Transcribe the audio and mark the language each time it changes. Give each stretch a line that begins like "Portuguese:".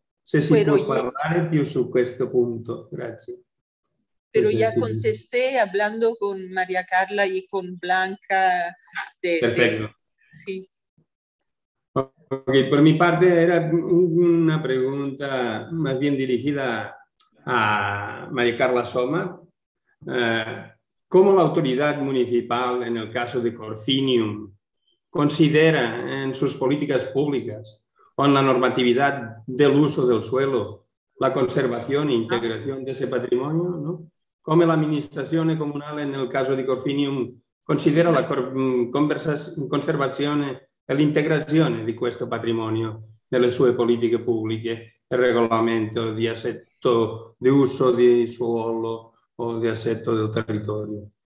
Italian: Se si può parlare più su questo punto, grazie.
Spanish: Pero ya contesté hablando con María Carla y con Blanca. Perfecto. Ok, por mi parte era una pregunta más bien dirigida a María Carla Somma. ¿Cómo la autoridad municipal, en el caso de Corfinium, considera en sus políticas públicas o en la normatividad del uso del suelo la conservación e integración de ese patrimonio? ¿No? ¿Cómo la administración comunal, en el caso de Corfinium, considera la conservación e
Italian: l'integrazione di questo patrimonio nelle sue politiche pubbliche, il regolamento di assetto di uso di suolo o di assetto del territorio?